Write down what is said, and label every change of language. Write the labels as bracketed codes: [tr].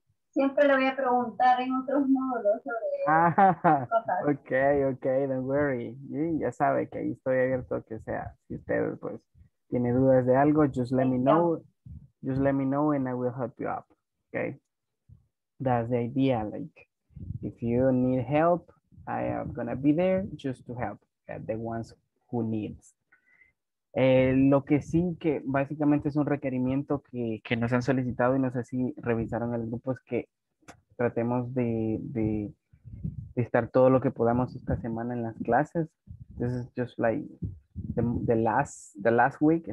[es] Siempre le voy a preguntar en otros módulos sobre cosas. [en] Okay, don't worry. [es] Ya sabe que ahí estoy abierto, que sea. Si usted pues tiene dudas de algo, [en] just let me know. Just let me know and I will help you up. Okay. That's the idea. Like, if you need help, I am gonna be there just to help the ones who needs. [es] Lo que sí que básicamente es un requerimiento que nos han solicitado y no sé si revisaron el grupo es que tratemos de estar todo lo que podamos esta semana en las clases. [en] This is just like the last week.